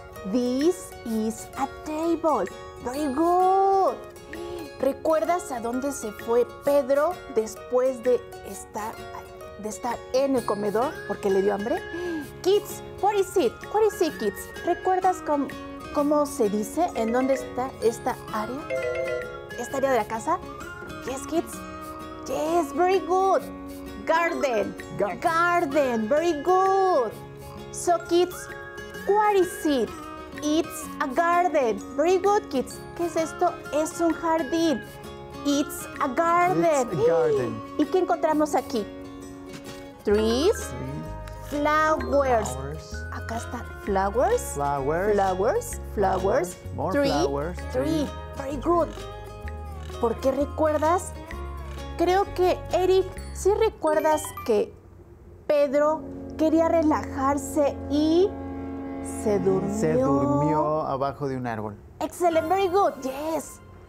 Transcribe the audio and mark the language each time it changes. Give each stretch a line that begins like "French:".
English: This is a table. Very good.
Spanish: ¿Recuerdas a dónde se fue Pedro después de estar en el comedor porque le dio hambre?
English: Kids, what is it? What is it, kids?
Spanish: ¿Recuerdas cómo se dice en dónde está esta área? ¿Esta área de la casa?
English: Yes, kids. Yes, very good. Garden. Garden, very good. So, kids, what is it? It's a garden. Very good, kids.
Spanish: ¿Qué es esto? Es un jardín.
English: It's a garden. It's a garden.
Spanish: ¿Y qué encontramos aquí? Trees. Flowers. Acá está. Flowers.
English: Flowers. Flowers. Flowers. More tree. Flowers. Tree. Very good.
Spanish: ¿Por qué recuerdas? Creo que, Eric, sí recuerdas que Pedro quería relajarse y se durmió. Se durmió abajo de un árbol.
English: Excellent, very good, yes.